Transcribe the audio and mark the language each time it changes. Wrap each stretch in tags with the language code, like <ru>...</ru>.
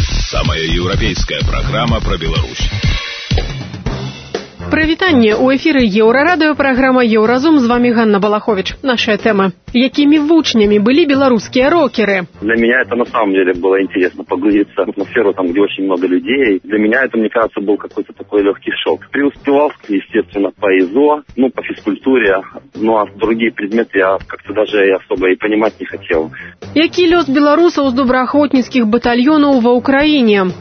<ru>Самая европейская программа про Беларусь.</ru> <be>Привітанне у эфіры Еўрарадыё, праграма Еўразум, з вамі Ганна Балаховіч. Нашая тэма: якімі вучнямі былі беларускія рокеры? Для мяне</be> <ru>это на самом деле было интересно погрузиться в атмосферу, там, где очень много людей. Для меня это, мне кажется, был какой-то такой легкий шок. Преуспевал, естественно, по ИЗО, ну, по физкультуре, ну, а другие предметы я как-то даже особо и понимать не хотел.</ru> <be>Які лёс беларусаў з добраахвотніцкіх батальёнаў ва Украіне?</be>